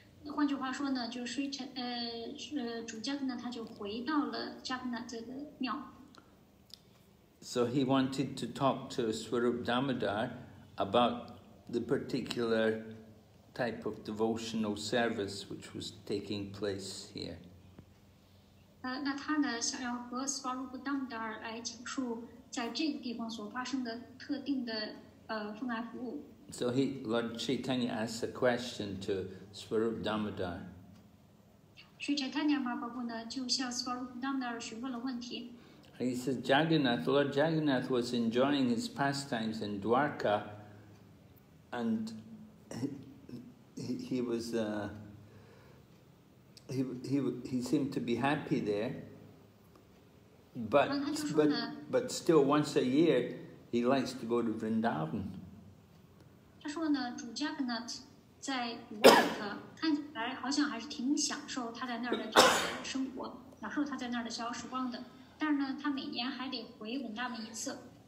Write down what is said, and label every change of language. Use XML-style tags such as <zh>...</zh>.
<zh>换句话说呢，就是主加格纳他就回到了加格纳这个庙。</zh> <en>So he wanted to talk to Swarup Damodar about the particular type of devotional service which was taking place here.</en> <zh>那他呢想要和 Swarup Damodar 来讲述在这个地方所发生的特定的奉纳服务。</zh> <en>So he, Lord Chaitanya asked a question to Swarup Damodar.</en> <zh>Sri Chaitanya Mahaprabhu 呢就向 Swarup Damodar 询问了问题。</zh> <en>He says, Jagannath, Lord Jagannath was enjoying his pastimes in Dwarka, and he seemed to be happy there, but still once a year he likes to go to Vrindavan.</en> <zh>他说呢，主加格纳在瓦尔克看起来好像还是挺享受他在那儿的这个生活，享受他在那儿的逍遥时光的。但是呢，他每年还得回文大门一次。</zh>